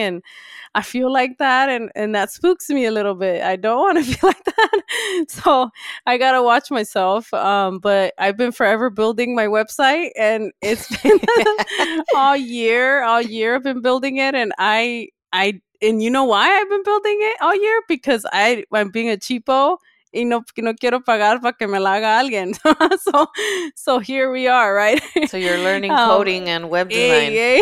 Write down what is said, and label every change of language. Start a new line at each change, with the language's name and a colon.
English: And I feel like that. And that spooks me a little bit. I don't want to feel like that. So I got to watch myself. But I've been forever building my website and it's been all year I've been building it. And And you know why I've been building it all year? Because I'm being a cheapo
Spanish: y no quiero pagar para que me la haga alguien.
English: So here we are, right? So you're learning coding and web design.